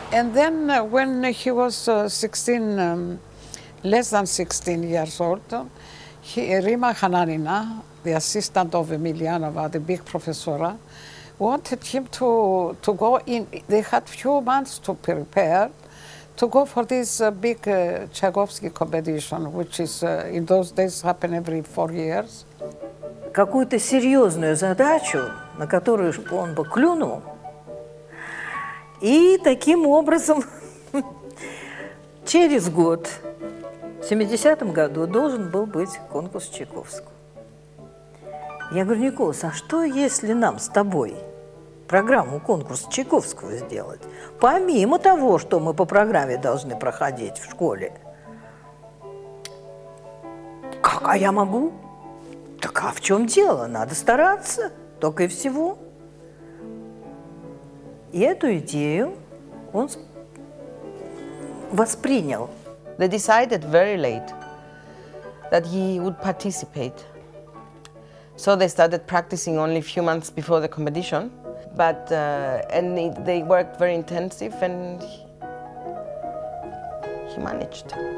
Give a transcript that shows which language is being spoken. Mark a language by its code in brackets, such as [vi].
[en] And then when he was 16, less than 16 years old, Rima Hananina, the assistant of Emilianova, the big professora, wanted him to go in. They had few months to prepare to go for this big Tchaikovsky competition, which is in those days happened every 4 years. [ru] Какую-то серьезную задачу, на которую он бы клюнул, и таким образом через год, в 70-м году, должен был быть конкурс Чайковского. Я говорю, Николас, а что если нам с тобой программу конкурса Чайковского сделать, помимо того, что мы по программе должны проходить в школе? Как, а я могу? Так а в чем дело? Надо стараться, только и всего. И эту идею он воспринял. [en] They decided very late that he would participate. So they started practicing only a few months before the competition. But and they worked very intensive, and he managed.